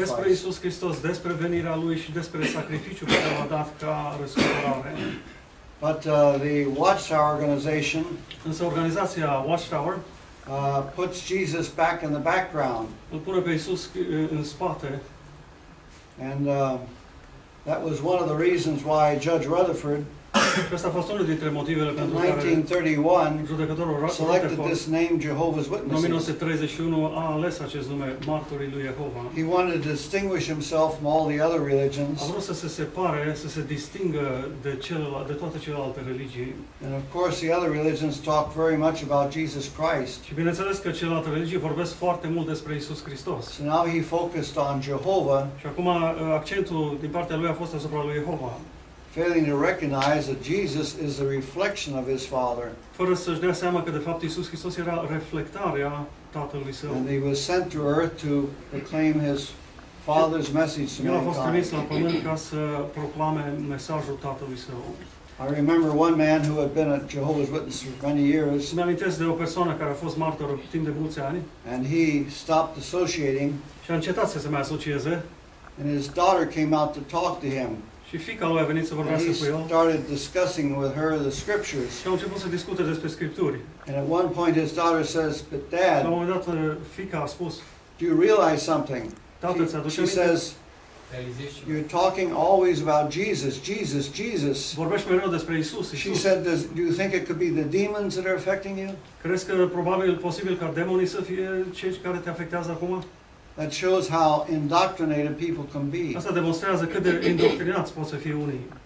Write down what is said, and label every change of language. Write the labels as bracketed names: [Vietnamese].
[Romanian] Despre Iisus Hristos, despre venirea lui și despre sacrificiul pe care l-a dat ca răscumpărare. [English] But the Watchtower organization, [Romanian] însă organizația Watchtower, [English] puts Jesus back in the background. [Romanian] Îl pune pe Iisus în spate. [English] And that was one of the reasons why Judge Rutherford, [Romanian] asta a fost unul dintre motivele pentru care [English] 1931 selected this name Jehovah's Witnesses. [Romanian] 1931 a ales acest nume, martorii lui Jehova. [English] He wanted to distinguish himself from all the other religions. [Romanian] A vrut să se separe, să se distingă de celelalte, de toate celelalte religii. [English] And of course the other religions talk very much about Jesus Christ. [Romanian] Și bineînțeles că celelalte religii vorbesc foarte mult despre Iisus Hristos. [English] So now he focused on Jehovah. [Romanian] Și acum accentul din partea lui a fost asupra lui Jehova. [English] Failing to recognize that Jesus is the reflection of his Father. [Romanian] Fără să-și dea seama că de fapt Iisus Hristos era reflectarea Tatălui Său. [English] And he was sent to earth to proclaim his Father's message to mankind. [Romanian] El a fost trimis la pământ ca să proclame mesajul Tatălui Său. [English] I remember one man who had been a Jehovah's Witness for many years. [Romanian] Îmi amintesc de o persoană care a fost martor timp de mulți ani. [English] And he stopped associating. [Romanian] Și a încetat să se mai asocieze. [English] And his daughter came out to talk to him. [Romanian] Și fiica lui a venit să vorbească cu el. [English] He started discussing with her the scriptures. [Romanian] Și a început să discute despre scripturi. [English] And at one point his daughter says, "But dad." [Romanian] La un moment dat, fiica a spus, [English] "Do you realize something?" [Romanian] Tată, [English] she says, "You're talking always about Jesus, Jesus, Jesus." [Romanian] Vorbești mereu despre Isus. [English] She said, "Do you think it could be the demons that are affecting you?" [Romanian] Crezi că probabil posibil ca demonii să fie cei care te afectează acum? [English] That shows how indoctrinated people can be. [Romanian] Asta demonstrează cât de indoctrinați pot să fie unii.